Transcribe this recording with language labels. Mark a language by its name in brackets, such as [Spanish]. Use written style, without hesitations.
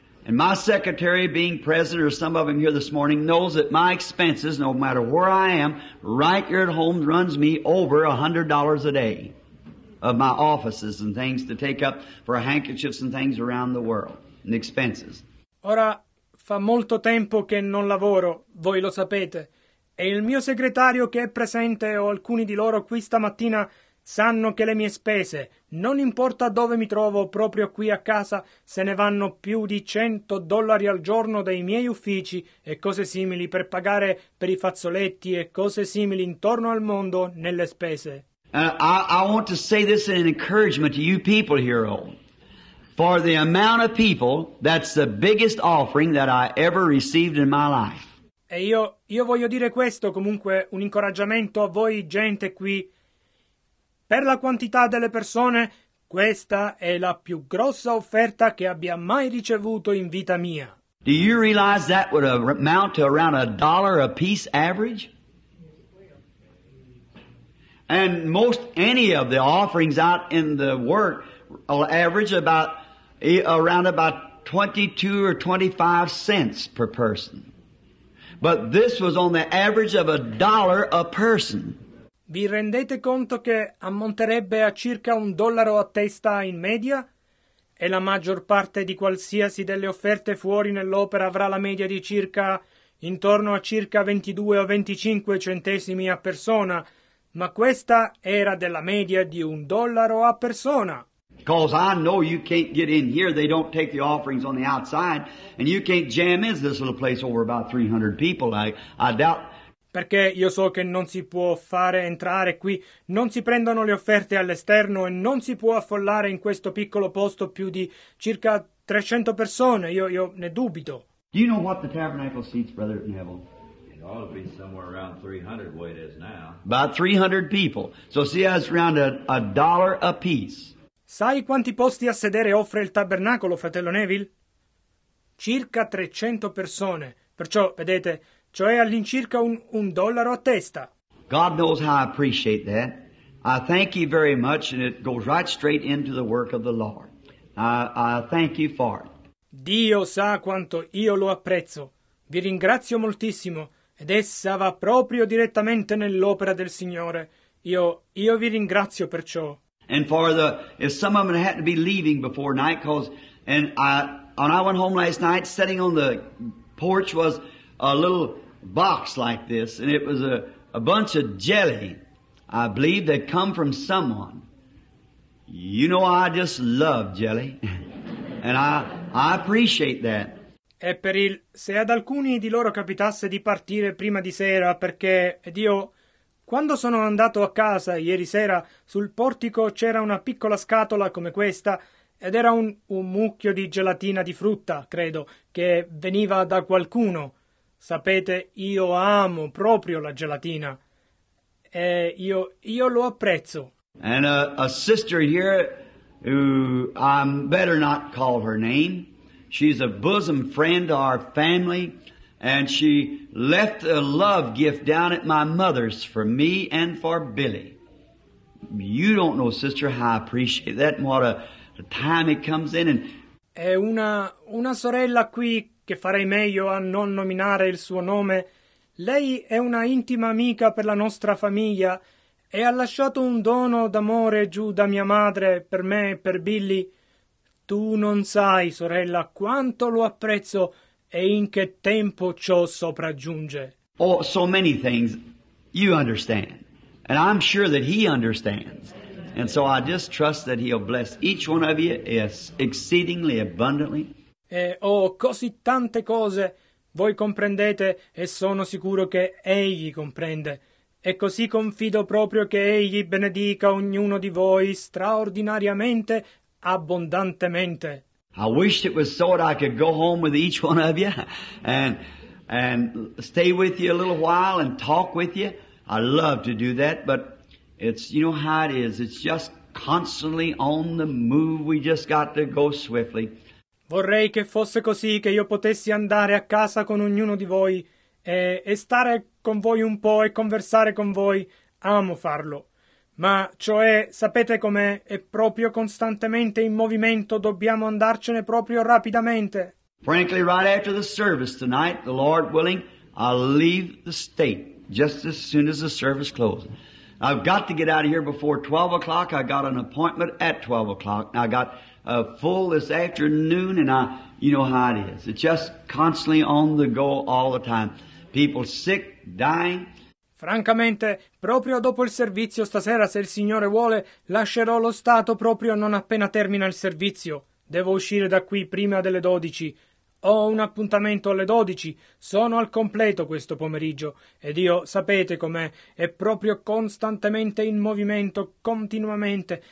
[English] And my secretary being present, or some of them here this morning, knows that my expenses, no matter where I am, right here at home, runs me over $100 a day of my offices and things to take up for handkerchiefs and things around the world and expenses. [Italian] Ora fa molto tempo che non lavoro, voi lo sapete, e il mio segretario che è presente o alcuni di loro qui stamattina sanno che le mie spese, non importa dove mi trovo, proprio qui a casa, se ne vanno più di $100 al giorno dai miei uffici e cose simili per pagare per i fazzoletti e cose simili intorno al mondo nelle spese. [English] I want to say this in an encouragement to you people here home. For the amount of people, that's the biggest offering that I ever received in my life. [Italian] E io voglio dire questo comunque, un incoraggiamento a voi gente qui. Per la quantità delle persone, questa è la più grossa offerta che abbia mai ricevuto in vita mia. [English] Do you realize that would amount to around $1 a piece average? And most any of the offerings out in the work will average around 22 or 25 cents per person. But this was on the average of $1 a person. [Italian] Vi rendete conto che ammonterebbe a circa $1 a testa in media? E la maggior parte di qualsiasi delle offerte fuori nell'opera avrà la media di circa intorno a circa 22 o 25 centesimi a persona. Ma questa era della media di $1 a persona. [English] Because I know you can't get in here, they don't take the offerings on the outside, and you can't jam in this little place over about 300 people, I doubt. [Italian] Perché io so che non si può fare entrare qui, non si prendono le offerte all'esterno e non si può affollare in questo piccolo posto più di circa 300 persone, io ne dubito. [English] Do you know what the tabernacle seats, Brother Neville? It ought to be somewhere around 300 the way it is now. About 300 people. So see how it's around a dollar a piece. [Italian] Sai quanti posti a sedere offre il tabernacolo, fratello Neville? Circa 300 persone. Perciò, vedete, cioè all'incirca un dollaro a testa. [English] God knows how I appreciate that. I thank you very much, and it goes right straight into the work of the Lord. I thank you for it. [Italian] Dio sa quanto io lo apprezzo. Vi ringrazio moltissimo, ed essa va proprio direttamente nell'opera del Signore. Io vi ringrazio perciò. [English] And for the, if some of them had to be leaving before night, because, and I, when I went home last night, sitting on the porch was a little box like this, and it was a bunch of jelly, I believe, that come from someone. You know, I just love jelly, and I appreciate that. [Italian] E per il, se ad alcuni di loro capitasse di partire prima di sera, perché, ed io, quando sono andato a casa ieri sera, sul portico c'era una piccola scatola come questa, ed era un mucchio di gelatina di frutta, credo, che veniva da qualcuno. Sapete, io amo proprio la gelatina. E io lo apprezzo. [English] And a sister here, who I better not call her name, she's a bosom friend to our family, and she left a love gift down at my mother's for me and for Billy. You don't know, sister, how I appreciate that and what a time it comes in. And [Italian] è una sorella qui che farei meglio a non nominare il suo nome. Lei è una intima amica per la nostra famiglia e ha lasciato un dono d'amore giù da mia madre per me e per Billy. Tu non sai, sorella, quanto lo apprezzo e in che tempo ciò sopraggiunge. [English] Oh, so many things you understand. And I'm sure that he understands. And so I just trust that he'll bless each one of you exceedingly abundantly. [Italian] E ho così tante cose, voi comprendete e sono sicuro che egli comprende. E così confido proprio che egli benedica ognuno di voi straordinariamente, abbondantemente. [English] I wish it was so that I could go home with each one of you and stay with you a little while and talk with you. I love to do that, but it's, you know how it is, it's just constantly on the move. We just got to go swiftly. [Italian] Vorrei che fosse così, che io potessi andare a casa con ognuno di voi e stare con voi un po' e conversare con voi. Amo farlo. Ma, cioè, sapete com'è? È proprio costantemente in movimento, dobbiamo andarcene proprio rapidamente. [English] Frankly, right after the service tonight, the Lord willing, I'll leave the state just as soon as the service closes. I've got to get out of here before 12 o'clock. I got an appointment at 12 o'clock. I got full this afternoon, and you know how it is. It's just constantly on the go all the time. People sick, dying. [Italian] Francamente, proprio dopo il servizio stasera, se il Signore vuole, lascerò lo Stato proprio non appena termina il servizio. Devo uscire da qui prima delle 12. Ho un appuntamento alle 12. Sono al completo questo pomeriggio. Ed io, sapete com'è, è proprio costantemente in movimento, continuamente.